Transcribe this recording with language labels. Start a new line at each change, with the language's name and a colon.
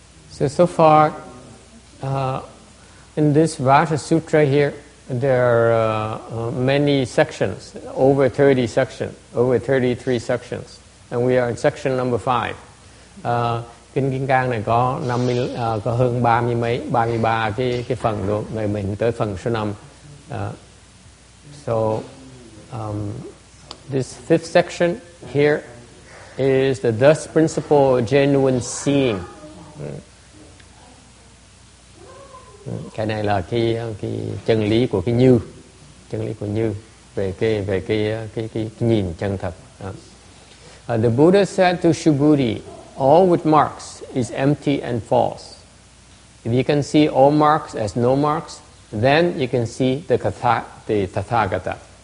English: So far, in this Vajra Sutra here, there are many sections, over 30 sections, over 33 sections, and we are in section number 5.
Vietnamese: Kinh Kim Cang này có 50, có hơn 30 mấy, 33 cái phần luôn, rồi mình tới phần số 5.
English: So, this fifth section here is the Thus Principle of Genuine Seeing.
Vietnamese: Cái này là cái chân lý của cái như, chân lý của như về cái nhìn chân thật.
English: The Buddha said to Shubhuti, all with marks is empty and false. If you can see all marks as no marks, then you can see the Tathagata.